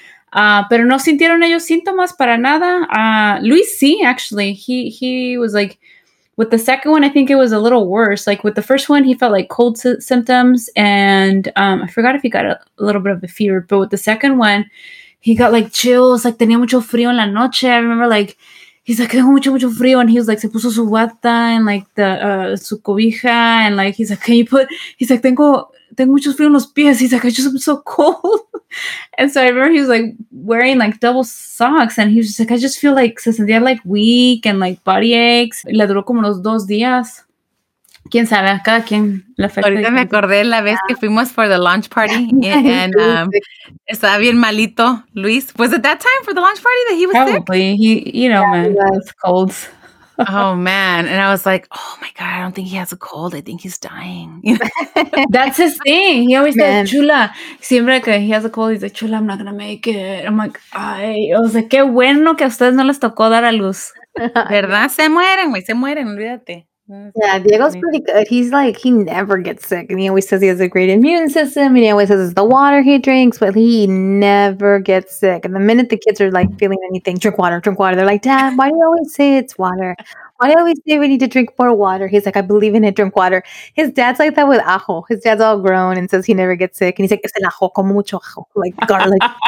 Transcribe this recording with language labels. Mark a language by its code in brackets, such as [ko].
[es] Pero no sintieron ellos síntomas para nada. Luis, sí, actually. [en] He was like, with the second one, I think it was a little worse. Like with the first one, he felt like cold symptoms. And I forgot if he got a little bit of a fever. But with the second one, he got like chills. [es] Like, tenía mucho frío en la noche. [en] I remember like, he's like, [es] tengo mucho frío. [en] And he was like, [es] se puso su bata [en] and like [es] su cobija. [en] And like, he's like, [es] tengo mucho frío en los pies. [en] He's like, I just am so cold. And so I remember he was like wearing like double socks, and he was just like, I just feel like [es] se sentía [en] like weak and like body aches. [es] Le duró como los dos días. Quién sabe, cada quien le afecta. Ahorita me acordé la vez que fuimos [en] for the launch party, [es] and estaba bien malito Luis. [en] Was it that time for the launch party that he was probably sick? He colds. Oh man. And I was like, oh my God, I don't think he has a cold. I think he's dying. That's his thing. He always says, chula. [es] Siempre que [en] he has a cold, he's like, chula, I'm not going to make it. I'm like, ay. I was like, [es] qué bueno que a ustedes no les tocó dar a luz. ¿Verdad? Se mueren, olvídate. [en] Yeah, Diego's pretty good. He's like, he never gets sick. And he always says he has a great immune system. And he always says it's the water he drinks, but he never gets sick. And the minute the kids are like feeling anything, drink water. They're like, Dad, why do you always say it's water? Why do you always say we need to drink more water? He's like, I believe in it, drink water. His dad's like that with ajo. His dad's all grown and says he never gets sick. And he's like, [es] es el ajo, como mucho ajo, [en] like garlic.